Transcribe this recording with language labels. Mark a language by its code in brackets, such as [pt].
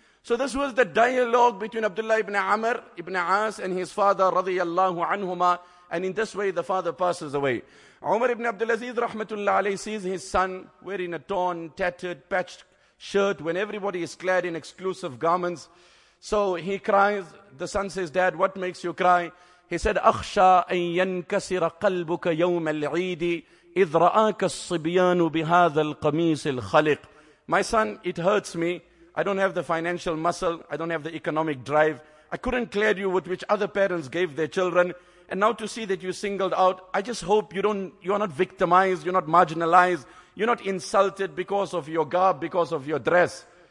[en] So this was the dialogue between Abdullah ibn Amr ibn As and his father, radiyallahu anhuma, and in this way the father passes away. Umar ibn Abdulaziz, rahmatullah alayhi, sees his son wearing a torn, tattered, patched shirt when everybody is clad in exclusive garments. So he cries. The son says, Dad, what makes you cry? [ar] He said, أخشى أن ينكسر قلبك يوم العيد إذ رآك الصبيان بهذا القميص الخلق. [en] My son, it hurts me. I don't have the financial muscle. I don't have the economic drive. I couldn't clear you with which other parents gave their children. And now to see that you singled out, I just hope you're not victimized, you're not marginalized, you're not insulted because of your garb, because of your dress.